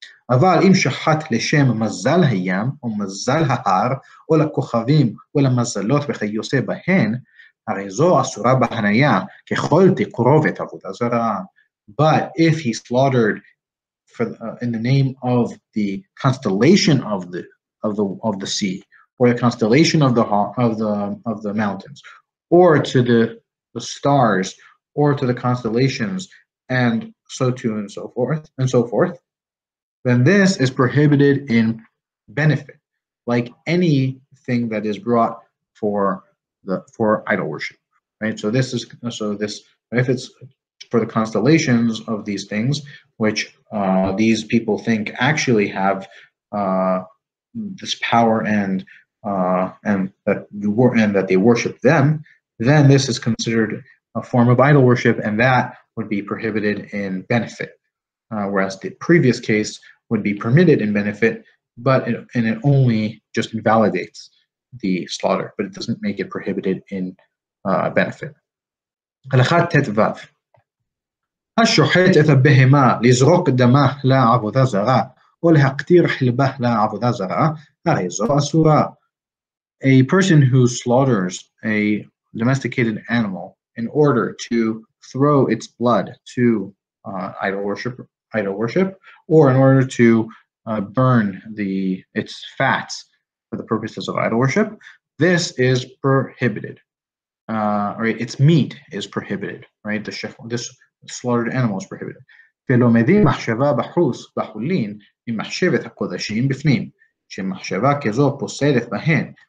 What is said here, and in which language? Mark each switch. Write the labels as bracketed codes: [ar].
[he] אבל אם שחט לשם מזל הים או מזל ההר או לכוכבים או למזלות וכיוצא בהן, הרי זו אסורה בהניה ככל תקרובת עבודה זרה. [en] But if he slaughtered in the name of the constellation of the sea, or the constellation of the mountains, or to the stars, or to the constellations, and so to and so forth and so forth, then this is prohibited in benefit, like anything that is brought for idol worship, right? So this if it's for the constellations of these things, which these people think actually have this power and that they worship them, then this is considered a form of idol worship, and that would be prohibited in benefit. Whereas the previous case would be permitted in benefit, but it only just invalidates the slaughter, but it doesn't make it prohibited in benefit. [he] הלכת תתוו. השוחט את הבהמה לזרוק דמה לעבודה זרה או להקטיר חלבה לעבודה זרה, הרי זו אסורה. [en] A person who slaughters a domesticated animal in order to throw its blood to idol worship, or in order to burn its fats for the purposes of idol worship, this is prohibited. Right, its meat is prohibited. Right, the shef, this slaughtered animal is prohibited. [he] ולומדים מחשבה בחוץ, בחולין, ממחשבת הקודשים בפנים, שמחשבה כזו פוסלת בהן,